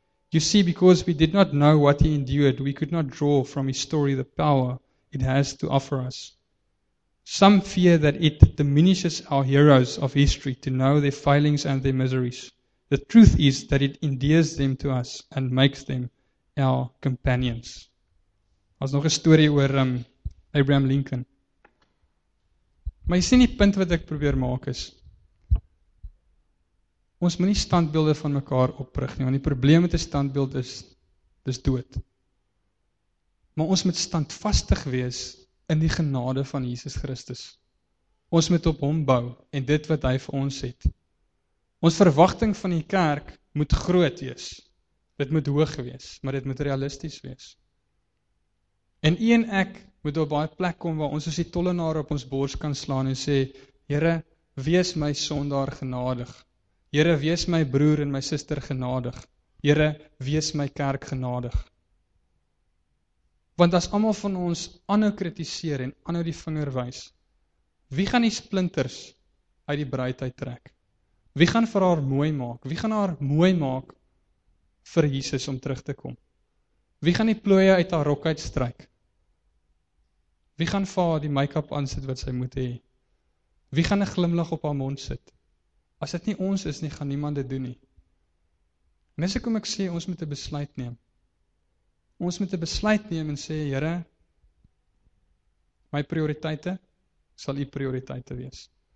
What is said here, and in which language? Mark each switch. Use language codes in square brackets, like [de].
[en] You see, because we did not know what he endured, we could not draw from his story the power it has to offer us. Some fear that it diminishes our heroes of history to know their failings and their miseries. The truth is that it endears them to us and makes them our companions. [af] Daar's nog 'n storie oor Abraham Lincoln. Maar jy sien die punt wat ek probeer maak is, ons moet nie standbeelde van mekaar oprig nie, want die probleem met 'n standbeeld is, dis dood. Maar ons moet standvastig wees in die genade van Jesus Christus. Ons moet op hom bou en dit wat hy vir ons het. Ons verwagting van die kerk moet groot wees. Dit moet hoog wees, maar dit moet realisties wees. En u en ek moet op baie plek kom waar ons as die tollenaar op ons bors kan slaan en sê, Here, wees my sondaar genadig. Here, wees my broer en my suster genadig. Here, wees my kerk genadig. Want as almal van ons aanhou kritiseer en aanhou die vinger wys, wie gaan die splinters uit die bruid uittrek? Wie gaan vir haar mooi maak? Wie gaan haar mooi maak vir Jesus om terug te kom? Wie gaan die plooie uit haar rok uitstryk? Wie gaan vir haar die make-up aansit wat sy moet hê? Wie gaan 'n glimlag op haar mond sit? As dit nie ons is nie, gaan niemand dit doen nie. En dis hoekom ek sê ons moet 'n besluit neem. Ons moet 'n besluit neem en sê, Here, my prioriteite sal U prioriteite wees.